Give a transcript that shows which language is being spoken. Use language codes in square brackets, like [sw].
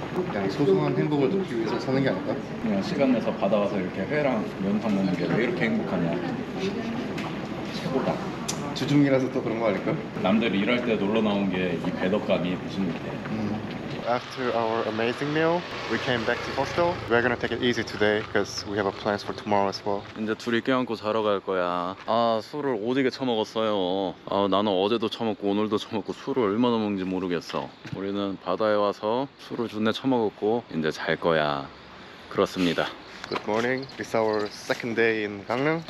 [ko] 그냥 소소한 행복을 느끼기 위해서 사는 게 아닐까? 그냥 시간 내서 받아와서 이렇게 회랑 면탕 먹는 게 왜 이렇게 행복하냐. 최고다. 주중이라서 또 그런 거 아닐까? 남들이 일할 때 놀러 나온 게 이 배덕감이 무슨 일이야. [en] After our amazing meal, we came back to hostel. We're gonna take it easy today because we have a plans for tomorrow as well. [ko] 이제 둘이 껴안고 자러 갈 거야. 아, 술을 어디게 처먹었어요. 아, 나는 어제도 처먹고 오늘도 처먹고 술을 얼마나 먹는지 모르겠어. 우리는 바다에 와서 술을 존내 처먹었고 이제 잘 거야. 그렇습니다. [en] Good morning. It's our second day in Gangneung.